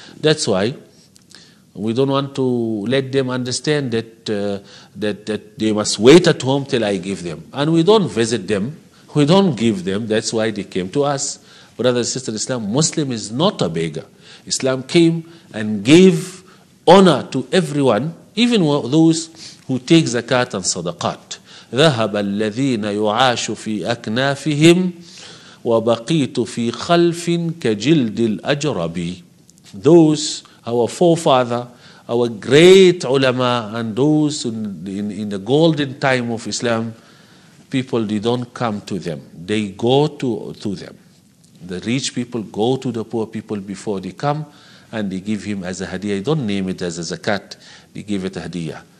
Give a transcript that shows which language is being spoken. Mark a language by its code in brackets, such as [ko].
[en] That's why we don't want to let them understand that they must wait at home till I give them. And we don't visit them. We don't give them. That's why they came to us. Brother and sister in Islam, Muslim is not a beggar. Islam came and gave honor to everyone, even those who take zakat and sadaqat. [ar] ذهب الذين يعاش في أكنافهم وبقيت في خلف كجلد الأجرب. [en] Those, our forefather, our great ulama, and those in the golden time of Islam, people, they don't come to them. They go to them. The rich people go to the poor people before they come, and they give him as a hadiah. They don't name it as a zakat. They give it a hadiah.